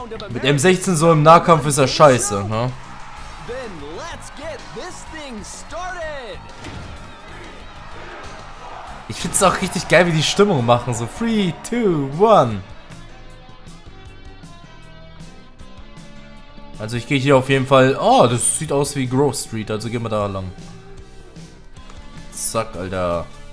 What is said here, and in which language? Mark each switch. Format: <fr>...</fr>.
<de>Mit M16 so im Nahkampf ist er scheiße. Ja?</de> <en>Then let's get this thing started.</en> <de>Ich find's auch richtig geil, wie die Stimmung machen. So 3, 2, 1. Also ich gehe hier auf jeden Fall... Oh, das sieht aus wie Grove Street. Also gehen wir da lang. Zack, Alter.</de>